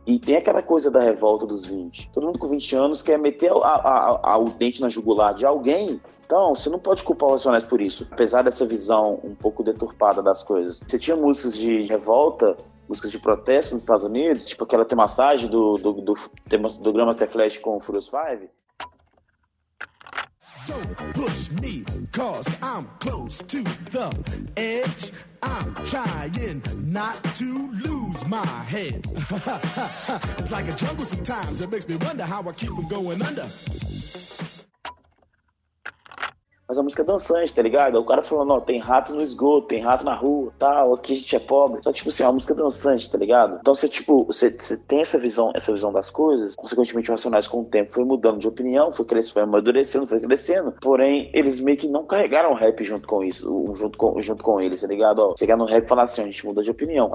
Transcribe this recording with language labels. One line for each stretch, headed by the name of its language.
Portuguese: E tem aquela coisa da revolta dos 20. Todo mundo com 20 anos quer meter o dente na jugular de alguém. Então, você não pode culpar o Racionais por isso, apesar dessa visão um pouco deturpada das coisas. Você tinha músicas de revolta, músicas de protesto nos Estados Unidos, tipo aquela temassagem do Grandmaster Flash com o Furious Five.
English: Don't push me, cause I'm close to the edge. I'm trying not to lose my head. It's like a jungle sometimes, it makes me wonder how I keep from going under.
Portuguese: Mas a música é dançante, tá ligado? O cara falando, ó, tem rato no esgoto, tem rato na rua, tal, aqui a gente é pobre. Só que, tipo assim, é uma música dançante, tá ligado? Então, você, tipo, você tem essa visão das coisas, consequentemente, o Racionais, com o tempo, foi mudando de opinião, foi amadurecendo, porém, eles meio que não carregaram o rap junto com isso, junto com eles, tá ligado? Ó, chegar no rap e falar assim, a gente mudou de opinião.